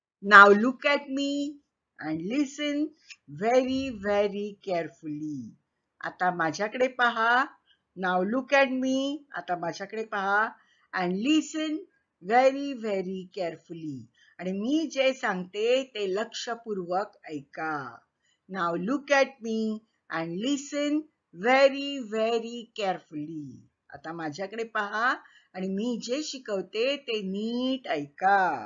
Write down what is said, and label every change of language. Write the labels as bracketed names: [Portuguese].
[English] Now look at me and listen very very carefully. [Marathi] आता माझ्याकडे पहा. [English] Now look at me, [Marathi] आता माझ्याकडे पहा. [English] And listen very very carefully. [Marathi] आणि मी जे सांगते ते लक्षपूर्वक ऐका. [English] Now look at me and listen very very carefully. [Marathi] आता माझ्याकडे पहा आणि मी जे शिकवते ते नीट ऐका.